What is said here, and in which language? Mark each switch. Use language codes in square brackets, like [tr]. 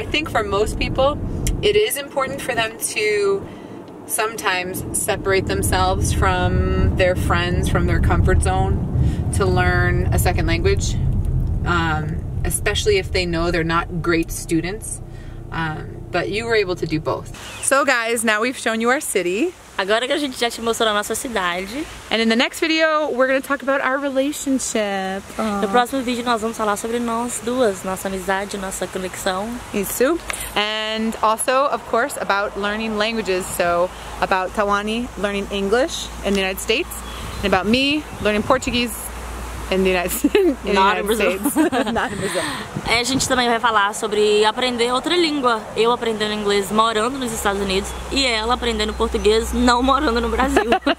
[en] I think for most people, it is important for them to sometimes separate themselves from their friends, from their comfort zone, to learn a second language, especially if they know they're not great students. But you were able to do both. So guys, now we've shown you our city. [pt] Agora que a gente já te mostrou a nossa cidade. [en] And in the next video, we're going to talk about our relationship. Aww. [pt] No próximo vídeo nós vamos falar sobre nós duas, nossa amizade, nossa conexão. Isso. [en] And also, of course, about learning languages. So, about Tawani learning English in the United States. And about me learning Portuguese In the United States. Not in Brazil. [pt] A gente também vai falar sobre aprender outra língua. Eu aprendendo inglês morando nos Estados Unidos e ela aprendendo português não morando no Brasil.